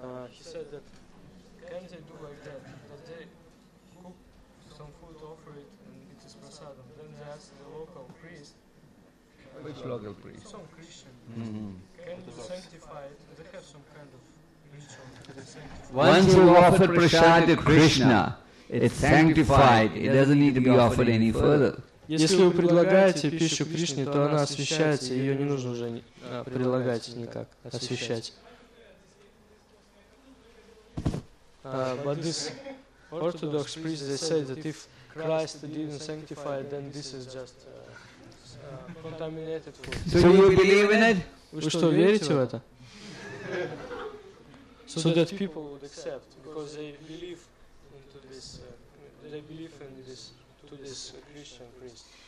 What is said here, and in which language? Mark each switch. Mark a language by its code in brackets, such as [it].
[en] He said that can they do like that? That they some food, offer it, and it is prasadam. Then they ask the local priest. Which local priest? Some Christian. Mm-hmm. Can you sanctify it? They have some kind of ritual. Once you offer prasad to Krishna, it's sanctified. It doesn't need to be offered any further. [ru] Если вы предлагаете пищу Кришне, то она освящается, ее не нужно уже предлагать никак, освящать. [en] But this Orthodox priests, they say that if Christ didn't sanctify it, then this is just contaminated food. So you believe in it? [ru] Вы что, верите в это? [en] So that people would accept, because they believe into this, they believe in this, to this Christian priest.